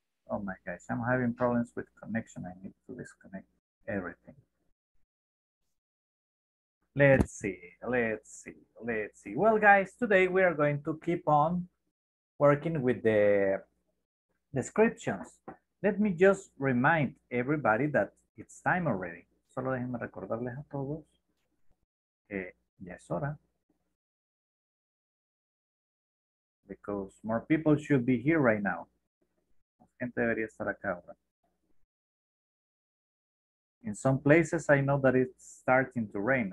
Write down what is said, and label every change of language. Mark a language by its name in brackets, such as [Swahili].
[English] Oh my gosh, I'm having problems with connection. I need to disconnect everything. Let's see. Well, guys, today we are going to keep on working with the descriptions. Let me just remind everybody that it's time already. [Spanish] Solo déjenme recordarles a todos que ya es hora. [English] Because more people should be here right now. [Spanish] Gente debería estar acá ahora. [English] In some places I know that it's starting to rain.